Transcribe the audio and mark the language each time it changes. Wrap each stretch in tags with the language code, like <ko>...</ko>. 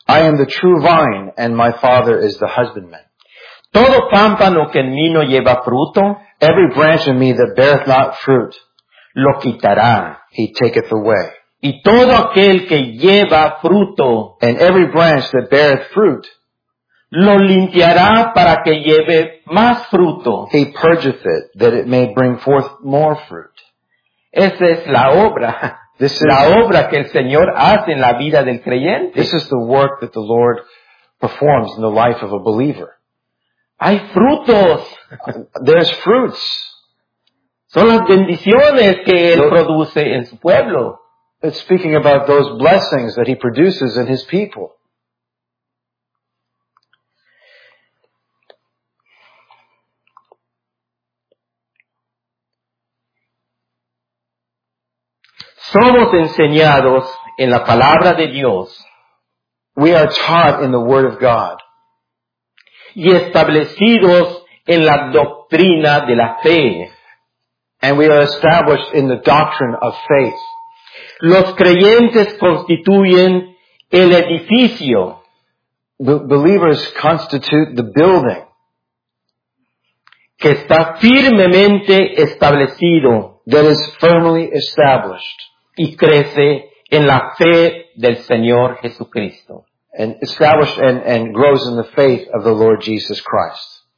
<en>I am the true vine and my father is the husbandman.</en> <es>Todo pámpano que en mí no lleva fruto,</es> <en>every branch in me that beareth not fruit,</en> <es>lo quitará.</es> <en>He taketh away.</en> <es>Y todo aquel que lleva fruto,</es> <en>and every branch that beareth fruit,</en> <es>lo limpiará para que lleve más fruto.</es> <en>He purgeth it, that it may bring forth more fruit.</en> <es>Esa es la obra.</es> <en>This</en> <es>la</es> <en>is,</en> <es>obra que el Señor hace en la vida del creyente.</es> <en>This is the work that the Lord performs in the life of a believer.</en> <es>Hay frutos.</es> <en>There's fruits.</en> <es>Son las bendiciones que Él produce en su pueblo.</es> <en>It's speaking about those blessings that He produces in His people.</en> <es>Somos enseñados en la palabra de Dios.</es> <en>We are taught in the word of God.</en> <es>Y establecidos en la doctrina de la fe.</es> <en>And we are established in the doctrine of faith.</en> <es>Los creyentes constituyen el edificio.</es> <en>believers constitute the building.</en> <es>Que está firmemente establecido.</es> <en>That is firmly established.</en> <es>Y crece en la fe del Señor Jesucristo.</es> <en>And established and grows in the faith of the Lord Jesus Christ.</en>